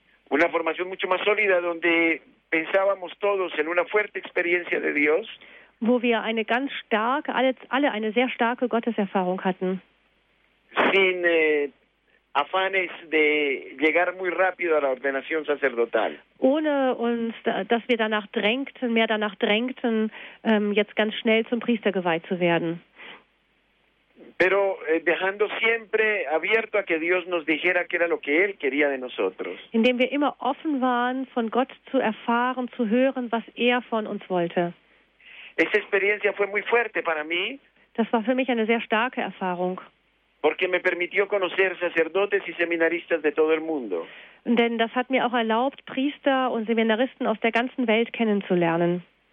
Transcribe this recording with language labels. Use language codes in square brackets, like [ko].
[es] Una formación mucho más sólida donde pensábamos todos en una fuerte experiencia de Dios. [de] Wo wir eine ganz starke, alle eine sehr starke Gotteserfahrung hatten. [es] Sin afanes de llegar muy rápido a la ordenación sacerdotal. [de] Ohne uns, dass wir danach drängten, mehr danach drängten, jetzt ganz schnell zum Priester geweiht zu werden. [es] Pero dejando siempre abierto a que Dios nos dijera qué era lo que Él quería de nosotros. [de] Indem wir immer offen waren, von Gott zu erfahren, zu hören, was Er von uns wollte. [es] Esa experiencia fue muy fuerte para mí. [de] Das war für mich eine sehr starke Erfahrung. [es] Porque me permitió conocer sacerdotes y seminaristas de todo el mundo. [de] Denn das hat mir auch erlaubt, Priester und Seminaristen aus der ganzen Welt kennenzulernen.